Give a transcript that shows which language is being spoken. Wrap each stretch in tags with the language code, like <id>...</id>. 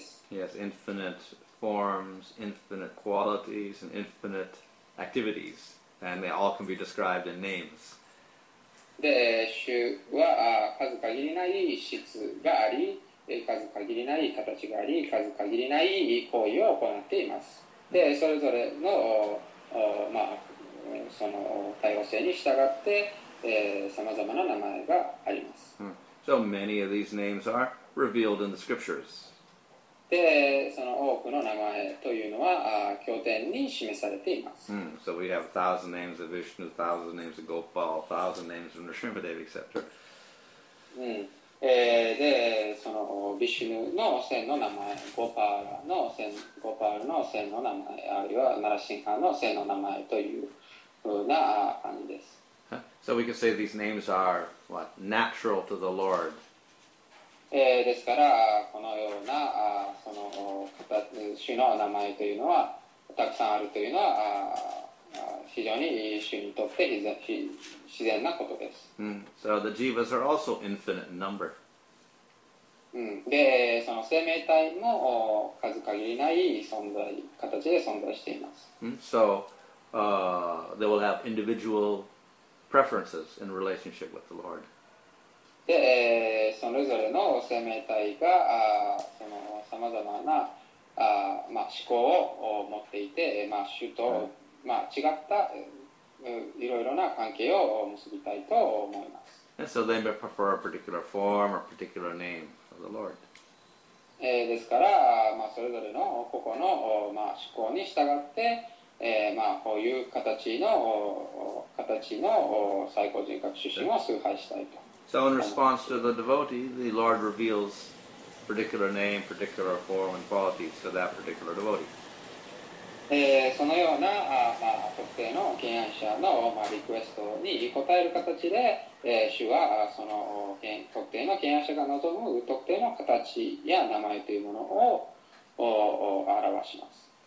<en>Yes, infinite forms, infinite qualities, and infinite activities. And they all can be described in names.</en> <ja>で、主は数限りない質があり、数限りない形があり、数限りない行為を行っています。で、それぞれの、まあ、その多様性に従って、さまざまな名前があります。</ja> <en>So many of these names are revealed in the scriptures.</en> <ja>で、その多くの名前というのは、経典に示されています。</ja> <en>So we have 1,000 names of Vishnu, 1,000 names of Gopal, 1,000 names of Nrsimhadeva, etc.</en> <ja>で、その Vishnu の千の名前、Gopal の千の名前、あるいは Narasimha の千の名前というふうな感じです。</ja> <en>So we can say these names are, what, natural to the Lord.</en> <ja>ですから、このような、その、主の名前というのは、たくさんあるというのは、非常に主にとって自然なことです。</ja> <en>So the jivas are also infinite in number.</en> <ja>で、その生命体も数限りない存在、形で存在しています。</ja> <en>So, they will have individual preferences in relationship with the Lord.</en> <ja>で、それぞれの生命体がそのさまざまな、まあ、思考を持っていて、まあ、主と、まあ、違ったいろいろな関係を結びたいと思います。</ja> <en>And so they may prefer a particular form or particular name of the Lord.</en> <ja>ですから、まあ、それぞれの個々の、まあ、思考に従って、まあ、こういう形の最高人格出身を崇拝したいと。</ja> <en>So in response to the devotee, the Lord reveals a particular name, particular form and qualities to that particular devotee.</en> <ja>そのような、まあ、特定の敬愛者の、まあ、リクエストに応える形で、主はその特定の敬愛者が望む特定の形や名前というものをを表します。</ja>